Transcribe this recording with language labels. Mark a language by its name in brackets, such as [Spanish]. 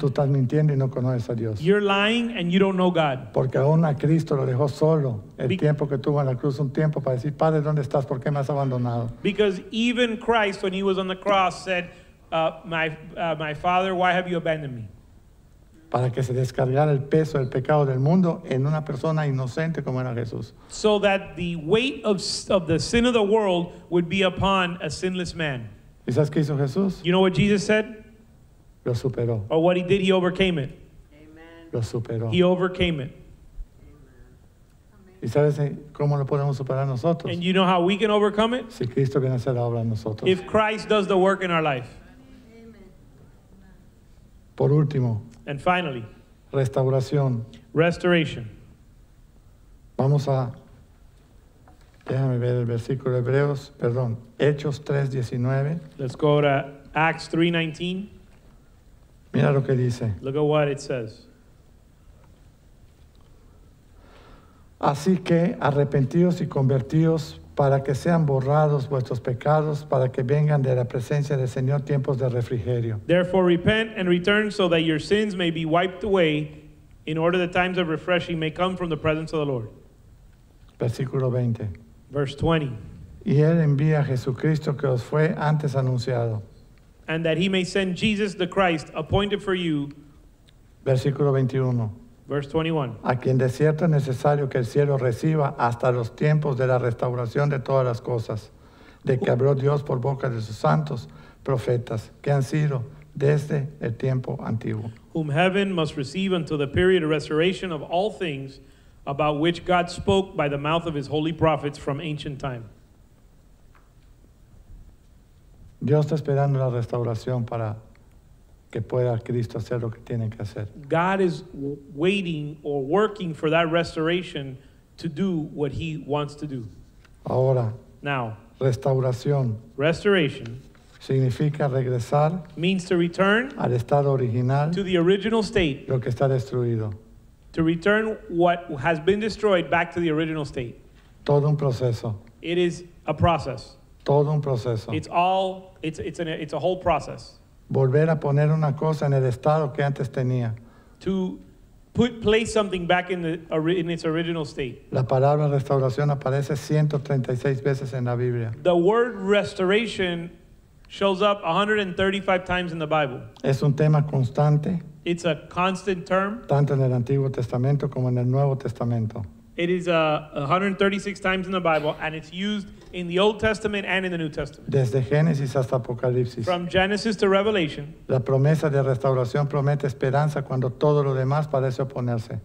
[Spanish] tú estás mintiendo y no conoces a Dios. [English] You're lying and you don't know God. [Spanish] Porque aún a Cristo lo dejó solo el tiempo que tuvo en la cruz, un tiempo para decir, Padre, ¿dónde estás? ¿Por qué me has abandonado? [English] Because even Christ, when he was on the cross, said, my Father, why have you abandoned me? [Spanish] Para que se descargara el peso del pecado del mundo en una persona inocente como era Jesús. [English] So that the weight of the sin of the world would be upon a sinless man. [Spanish] ¿Y sabes qué hizo Jesús? [English] You know what Jesus said? [Spanish] Lo superó. [English] Or what he did, he overcame it. [Spanish] Amen. Lo superó. [English] He overcame it. [Spanish] ¿Y sabes cómo lo podemos superar nosotros? [English] And you know how we can overcome it? [Spanish] Si Cristo viene a hacer la obra en nosotros. [English] If Christ does the work in our life. [Spanish] Amen. Por último. [English] And finally, [Spanish] restauración. [English] Restoration. [Spanish] Vamos a, déjame ver el versículo de Hebreos, perdón, Hechos 3:19. [English] Let's go to Acts 3:19. [Spanish] Mira lo que dice. [English] Look at what it says. [Spanish] Así que arrepentíos y convertíos para que sean borrados vuestros pecados, para que vengan de la presencia del Señor tiempos de refrigerio. [English] Therefore repent and return so that your sins may be wiped away, in order that times of refreshing may come from the presence of the Lord. [Spanish] Versículo 20. [English] Verse 20. [Spanish] Y él envía a Jesucristo que os fue antes anunciado. [English] And that he may send Jesus the Christ appointed for you. [Spanish] Versículo 21. [English] Verse 21. [Spanish] A quien de cierto es necesario que el cielo reciba hasta los tiempos de la restauración de todas las cosas, de que habló Dios por boca de sus santos profetas, que han sido desde el tiempo antiguo. [English] Whom heaven must receive until the period of restoration of all things, about which God spoke by the mouth of his holy prophets from ancient time. [Spanish] Dios está esperando la restauración para que pueda Cristo hacer lo que tiene que hacer. [English] God is waiting or working for that restoration to do what he wants to do. [Spanish] Ahora. [English] Now. [Spanish] Restauración. [English] Restoration. [Spanish] Significa regresar. [English] Means to return. [Spanish] Al estado original. [English] To the original state. [Spanish] Lo que está destruido. [English] To return what has been destroyed back to the original state. [Spanish] Todo un proceso. [English] It is a process. [Spanish] Todo un proceso. [English] It's a whole process. [Spanish] Volver a poner una cosa en el estado que antes tenía. [English] To place something back in its original state. [Spanish] La palabra restauración aparece 136 veces en la Biblia. [English] The word restoration shows up 135 times in the Bible. [Spanish] Es un tema constante. [English] It's a constant term. [Spanish] Tanto en el Antiguo Testamento como en el Nuevo Testamento. [English] It is 136 times in the Bible, and it's used in the Old Testament and in the New Testament. [Spanish] Desde Génesis hasta Apocalipsis. [English] From Genesis to Revelation. [Spanish] La promesa de restauración promete esperanza cuando todo lo demás parece oponerse.